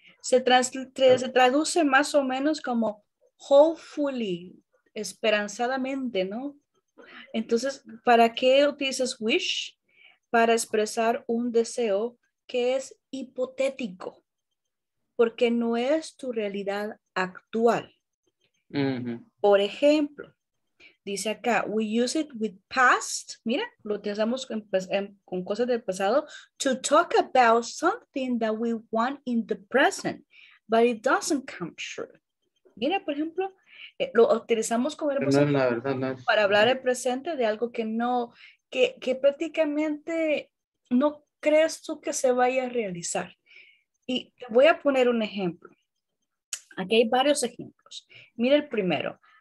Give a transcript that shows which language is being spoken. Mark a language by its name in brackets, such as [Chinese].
[Spanish] Se traduce más o menos como hopefully, esperanzadamente, ¿no? Entonces, ¿para qué utilizas wish? Para expresar un deseo que es hipotético, porque no es tu realidad actual. Uh-huh. Por ejemplo, dice acá, [English] we use it with past, [Spanish] mira, lo utilizamos con cosas del pasado, [English] to talk about something that we want in the present, but it doesn't come true. [Spanish] Mira, por ejemplo, lo utilizamos con el pasado para hablar el presente de algo que no, que prácticamente no crees tú que se vaya a realizar. Y te voy a poner un ejemplo. Aquí hay varios ejemplos. Mira el primero.